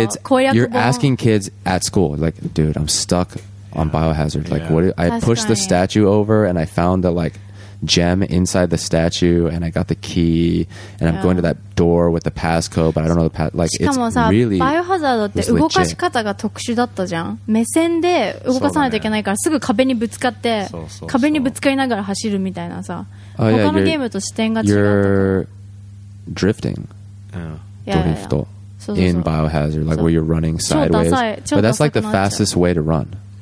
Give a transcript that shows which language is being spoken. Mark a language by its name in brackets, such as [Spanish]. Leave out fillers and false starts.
[English] You're asking kids at school, like, dude, I'm stuck on Biohazard. Like, what? I pushed the statue over, and I found the like gem inside the statue and I got the key and I'm going to that door with the passcode but I don't know the pass like it's really [Japanese] Biohazard って動かし方が特殊だったじゃん目線で動かさないといけないからすぐ壁にぶつかって壁にぶつかりながら走るみたいなさ他のゲームと視点が違う [English] drifting drift in Biohazard like where you're running sideways but that's like the fastest way to run